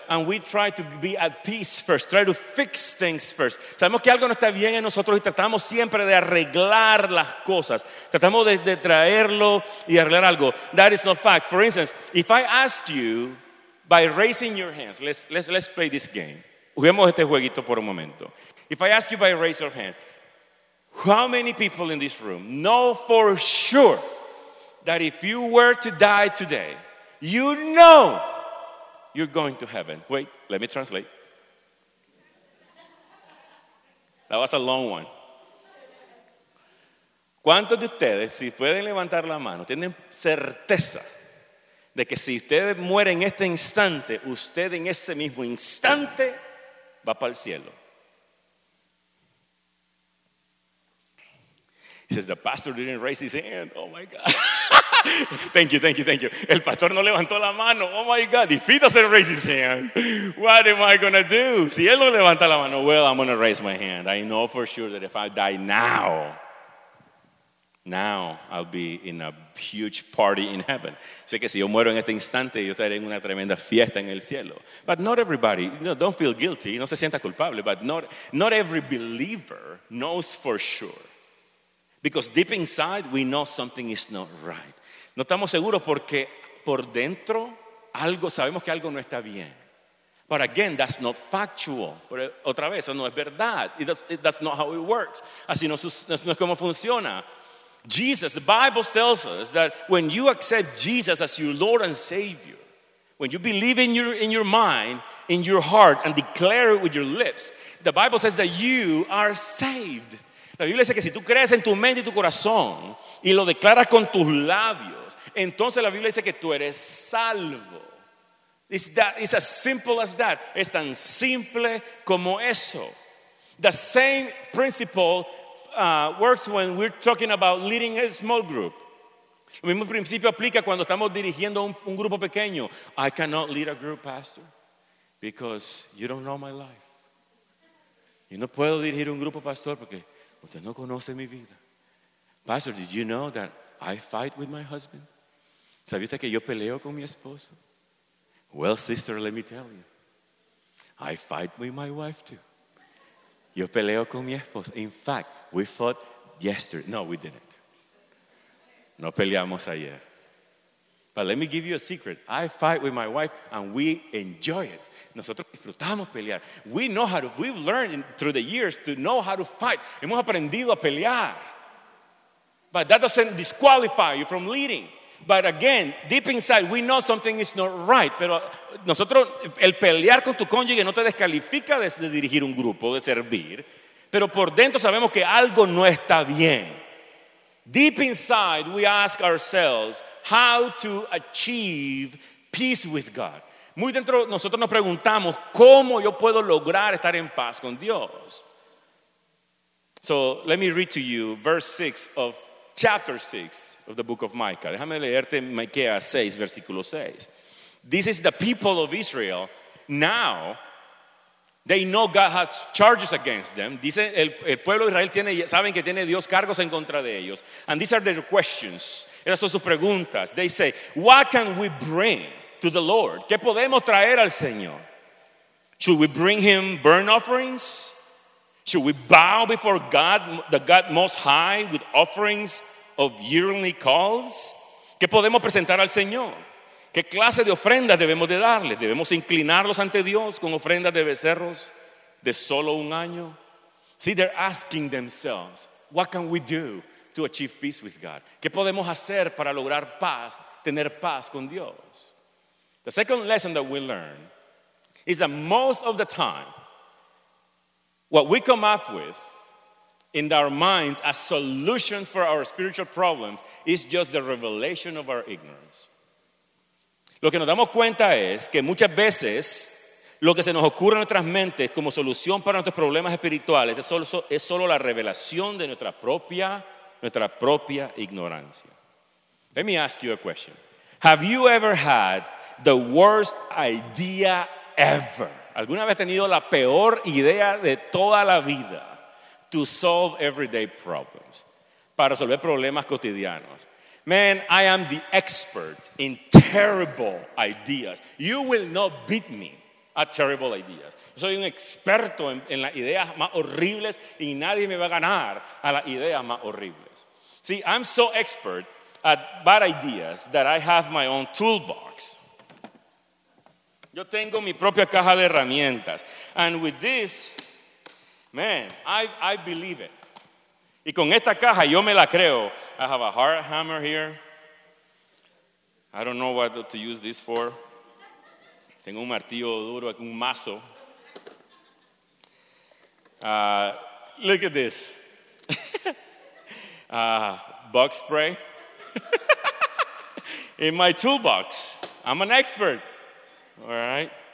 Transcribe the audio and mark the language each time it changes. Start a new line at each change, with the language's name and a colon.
English: And we try to be at peace first. Try to fix things first.
Spanish: Sabemos que algo no está bien en nosotros y tratamos siempre de arreglar las cosas. Tratamos de traerlo y arreglar algo.
English: That is not fact. For instance, if I ask you by raising your hands, let's play this game.
Spanish: Juguemos este jueguito por un momento.
English: If I ask you by a raise of hand, how many people in this room know for sure that if you were to die today, you know you're going to heaven? Wait, let me translate. That was a long one.
Spanish: ¿Cuántos de ustedes, si pueden levantar la mano, tienen certeza de que si usted muere en este instante, usted en ese mismo instante va para el cielo.
English: He says, the pastor didn't raise his hand. Oh my God. Thank you, thank you, thank you.
Spanish: El pastor no levantó la mano.
English: Oh my God. If he doesn't raise his hand, what am I going to do?
Spanish: Si él no levanta la mano,
English: well, I'm going to raise my hand. I know for sure that if I die now, now I'll be in a huge party in heaven.
Spanish: Sé que si yo muero en este instante, yo estaré en una tremenda fiesta en el cielo.
English: But not everybody, no, don't feel guilty.
Spanish: No se sienta culpable.
English: But not every believer knows for sure. Because deep inside, we know something is not right.
Spanish: No estamos seguros porque por dentro, algo, sabemos que algo no está bien.
English: But again, that's not factual.
Spanish: Pero otra vez, eso no es verdad.
English: That's not how it works.
Spanish: Así no, no es como funciona.
English: Jesus, the Bible tells us that when you accept Jesus as your Lord and Savior, when you believe in your mind, in your heart, and declare it with your lips, the Bible says that you are saved.
Spanish: La Biblia dice que si tú crees en tu mente y tu corazón y lo declaras con tus labios, entonces la Biblia dice que tú eres salvo.
English: It's as simple as that.
Spanish: Es tan simple como eso.
English: The same principle works when we're talking about leading a small group.
Spanish: El mismo principio aplica cuando estamos dirigiendo un grupo pequeño.
English: I cannot lead a group, pastor, because you don't know my life.
Spanish: Yo no puedo dirigir un grupo, pastor, porque usted no conoce mi vida.
English: Pastor, did you know that I fight with my husband?
Spanish: ¿Sabía usted que yo peleo con mi esposo?
English: Well, sister, let me tell you. I fight with my wife too.
Spanish: Yo peleo con mi esposo.
English: In fact, we fought yesterday. No, we didn't.
Spanish: No peleamos ayer.
English: But let me give you a secret. I fight with my wife and we enjoy it.
Spanish: Nosotros disfrutamos pelear.
English: We know how to, we've learned through the years to know how to fight.
Spanish: Hemos aprendido a pelear.
English: But that doesn't disqualify you from leading. But again, deep inside, we know something is not right.
Spanish: Pero nosotros, el pelear con tu cónyuge no te descalifica de dirigir un grupo, de servir. Pero por dentro sabemos que algo no está bien.
English: Deep inside, we ask ourselves how to achieve peace with God.
Spanish: Muy dentro nosotros nos preguntamos cómo yo puedo lograr estar en paz con Dios.
English: So let me read to you verse 6 of chapter 6 of the book of Micah.
Spanish: Déjame leerte Micah 6, versículo 6.
English: This is the people of Israel. Now they know God has charges against them.
Spanish: Dice el pueblo de Israel tiene, saben que tiene Dios cargos en contra de ellos.
English: And these are their questions.
Spanish: Esas son sus preguntas.
English: They say, what can we bring to the Lord?
Spanish: ¿Qué podemos traer al Señor?
English: Should we bring him burnt offerings? Should we bow before God, the God Most High, with offerings of yearly calls?
Spanish: ¿Qué podemos presentar al Señor? ¿Qué clase de ofrendas debemos de darle? ¿Debemos inclinarlos ante Dios con ofrendas de becerros de solo un año?
English: See, they're asking themselves, what can we do to achieve peace with God?
Spanish: ¿Qué podemos hacer para lograr paz, tener paz con Dios?
English: The second lesson that we learn is that most of the time, what we come up with in our minds as solutions for our spiritual problems is just the revelation of our ignorance.
Spanish: Lo que nos damos cuenta es que muchas veces lo que se nos ocurre en nuestras mentes como solución para nuestros problemas espirituales es solo la revelación de nuestra propia ignorancia.
English: Let me ask you a question. Have you ever had the worst idea ever?
Spanish: ¿Alguna vez has tenido la peor idea de toda la vida?
English: To solve everyday problems.
Spanish: Para resolver problemas cotidianos.
English: Man, I am the expert in terrible ideas. You will not beat me at terrible ideas.
Spanish: Soy un experto en las ideas más horribles y nadie me va a ganar a las ideas más horribles.
English: See, I'm so expert at bad ideas that I have my own toolbox.
Spanish: Yo tengo mi propia caja de herramientas.
English: And with this, man, I believe it.
Spanish: Y con esta caja, yo me la creo.
English: I have a hard hammer here. I don't know what to use this for.
Spanish: Tengo un martillo duro, un mazo.
English: Look at this. Bug spray. In my toolbox. I'm an expert. All right.